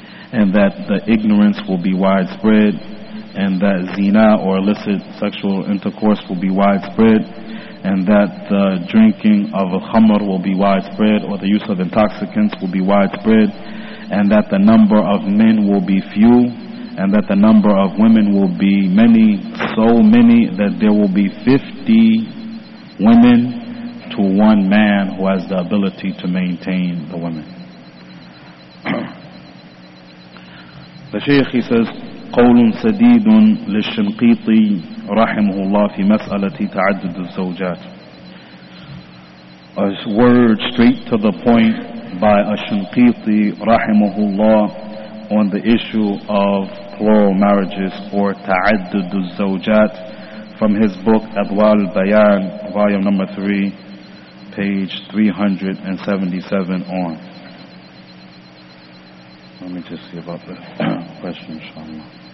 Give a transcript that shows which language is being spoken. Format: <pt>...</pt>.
<en>and that the ignorance will be widespread, and that zina or illicit sexual intercourse will be widespread, and that the drinking of a khamr will be widespread, or the use of intoxicants will be widespread, and that the number of men will be few, and that the number of women will be many, so many that there will be 50 women to one man who has the ability to maintain the women. The Shaykh, he says,</en> <ar>قول سديد للشنقيطي رحمه الله في مسألة تعدد الزوجات.</ar> <en>A word straight to the point by a Shinqiti رحمه الله on the issue of plural marriages or</en> <ar>تعدد الزوجات,</ar> <en>from his book أضوال البيان, volume number 3, page 377 on. Let me just see about the question, inshallah.</en>